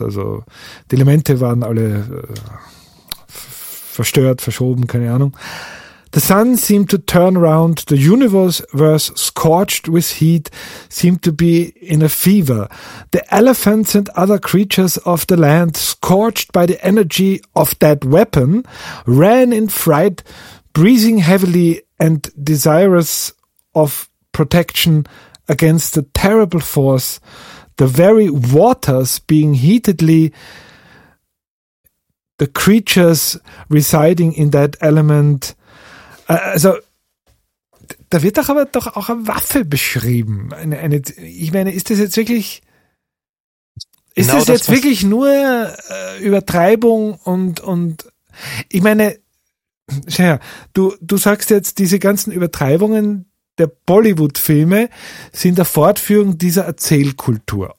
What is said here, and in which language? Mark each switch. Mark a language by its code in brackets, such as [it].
[de] Also die Elemente waren alle verstört, verschoben, keine Ahnung. [en] The sun seemed to turn round. The universe was scorched with heat, seemed to be in a fever. The elephants and other creatures of the land, scorched by the energy of that weapon, ran in fright, breathing heavily and desirous of protection against the terrible force, the very waters being heatedly, the creatures residing in that element. [de] Also, da wird doch aber doch auch eine Waffe beschrieben. Ich meine, ist das jetzt wirklich, ist genau das jetzt wirklich nur Übertreibung und ich meine, ja, du sagst jetzt, diese ganzen Übertreibungen der Bollywood-Filme sind eine Fortführung dieser Erzählkultur.